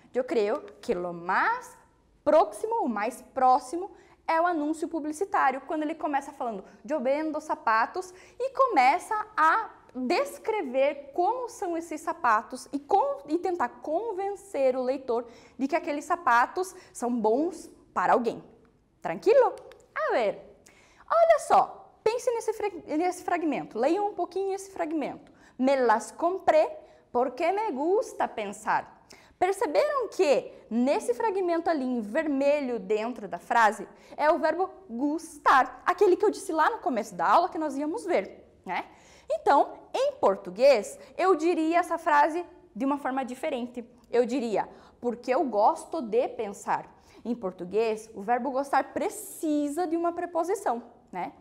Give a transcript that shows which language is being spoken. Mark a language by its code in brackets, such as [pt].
[pt] Eu creio que o mais próximo, é o anúncio publicitário, quando ele começa falando de vendo sapatos e começa a descrever como são esses sapatos e tentar convencer o leitor de que aqueles sapatos são bons para alguém. Tranquilo? A ver, olha só, Pense nesse fragmento, leia um pouquinho esse fragmento. [es] Me las compré porque me gusta pensar. [pt] Perceberam que nesse fragmento ali em vermelho dentro da frase é o verbo gustar, aquele que eu disse lá no começo da aula que nós íamos ver, né? Então, em português, eu diria essa frase de uma forma diferente. Eu diria, porque eu gosto de pensar. Em português, o verbo gostar precisa de uma preposição, né?